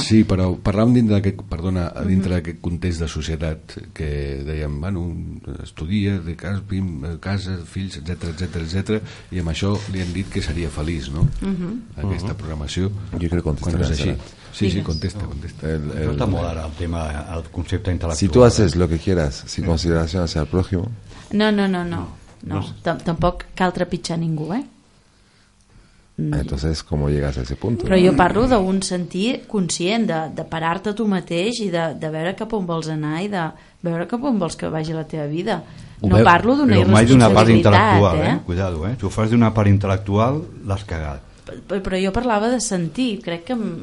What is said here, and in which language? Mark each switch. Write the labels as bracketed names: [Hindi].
[Catalan] Sí, però parlàvem dintre d'aquest, perdona, dintre d'aquest context de societat que dèiem, bueno, estudia, de casa, fills, etc, i amb això li han dit que seria feliç, no? Aquesta programació. Jo crec que contestarà. Sí, digues. Sí, contesta. No està molt ara el tema, el concepte intel·lectual. [Spanish] Si tu haces lo que quieras, sin consideración hacia el prójimo. [Catalan] No. No, tampoc cal trepitjar ningú, eh? [Spanish] Entonces, ¿cómo llegas a ese punto? [Catalan] Però jo parlo d'un sentir conscient, de parar-te tu mateix i de veure cap on vols anar i de veure cap on vols que vagi la teva vida. No parlo d'una irresponsabilitat. Però mai d'una part intel·lectual, eh? Cuidado, eh? Si ho fas d'una part intel·lectual, l'has cagat. Però jo parlava de sentir, crec que...